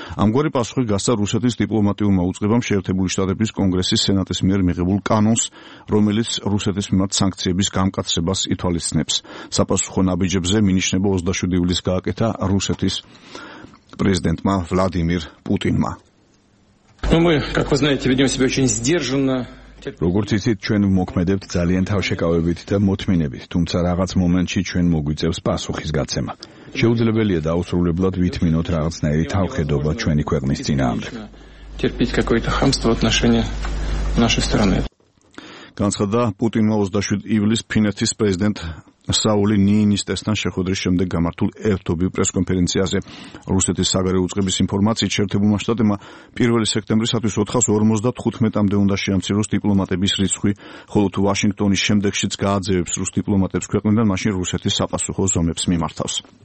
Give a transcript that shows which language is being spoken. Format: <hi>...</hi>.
<ka>ამგვარი პასუხი გასცა რუსეთის დიპლომატიურმა უწყებამ შეერთებული შტატების კონგრესის სენატის მიერ მიღებულ კანონს, რომელიც რუსეთის მიმართ სანქციების გამკაცებას ითვალისწინებს. საპასუხო ნაბიჯებზე მინიშნება 27 ივლისს გააკეთა რუსეთის</ka> <ru>президентма</ru> <ka>Владимир Путинма.</ka> <ru>Но мы, как вы знаете, ведём себя очень сдержанно.</ru> <ka>როგორც იცით, ჩვენ მოქმედებთ ძალიან თავშეკავებით და მოთმინებით, თუმცა რაღაც მომენტში ჩვენ მოგვიწევს პასუხის გაცემა. შეუძლებელია დაუსრულებლად ვითმინოთ რაღაცნაირი თავხედობა ჩვენი ქვეყნის წინააღმდეგ.</ka> <ru>Терпить какое-то хамство в отношении нашей страны.</ru> <ka>განცხადა პუტინმა 27 ივლისს ფინეთის პრეზიდენტ საული ნინისტესთან შეხვედრის შემდეგ გამართულ ერთობლივ პრესკონფერენციაზე. რუსეთის საგარეო უწყების ინფორმაციით, შეერთებულმა შტატებმა 1 სექტემბრისათვის 455-მდე უნდა შეამციროს დიპლომატების რიცხვი, ხოლო თუ ვაშინგტონის შემდეგშიც გააძევებს რუს დიპლომატებს ქვეყნიდან, მაშინ რუსეთის საპასუხო ზომებს მიმართავს.</ka>